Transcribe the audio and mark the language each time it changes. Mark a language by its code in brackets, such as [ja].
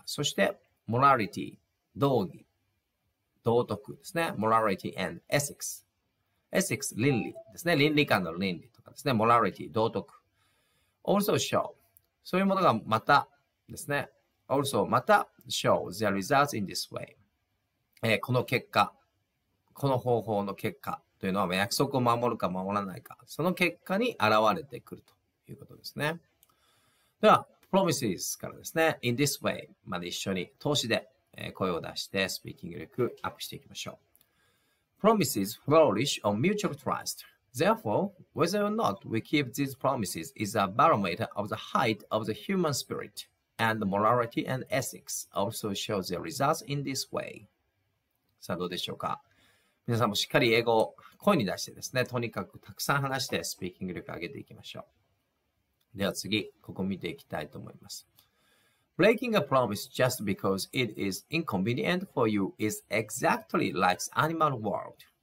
[ja] そして、モラリティ、道義、道徳ですね。モラリティ and エセックス。エセックス、倫理ですね。倫理観の倫理とかですね。モラリティ、道徳。 also show. そういうものがまたですね。 [en] also また show the results in this way. [ja] この結果、この方法の結果というのは約束を守るか守らないか、その結果に現れてくるということですね。では、promises からですね、 in this way まで一緒に投資で声を出して、スピーキング力アップしていきましょう。 [en] promises flourish on mutual trust. Therefore, whether or not we keep these promises is a barometer of the height of the human spirit, and morality and ethics also show the results in this way. [ja] さあどうでしょうか。皆さんもしっかり英語を声に出してですね、とにかくたくさん話してスピーキング力を上げていきましょう。では次、ここ見ていきたいと思います。 [en] Breaking a promise just because it is inconvenient for you is exactly like the animal world.